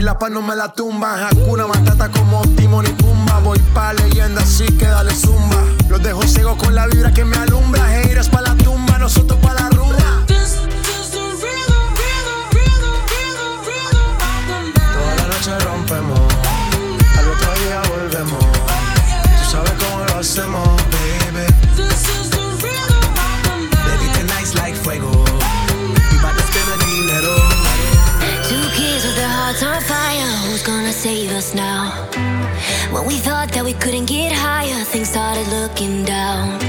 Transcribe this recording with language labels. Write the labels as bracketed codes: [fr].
[es] No me la tumba, Hakuna Matata como Timón y Pumba. Voy pa' leyenda, así que dale zumba. Los dejo ciego con la vibra que me alumbra. Haters pa' la tumba, nosotros pa' la rumba. [en] This, this is the rhythm, rhythm of the night. [es] Toda la noche rompemos, al otro día volvemos. Tú sabes cómo lo hacemos, baby. [en] This is the rhythm of the night. Baby, tonight's like fuego. On fire, who's gonna save us now? When we thought that we couldn't get higher, things started looking down.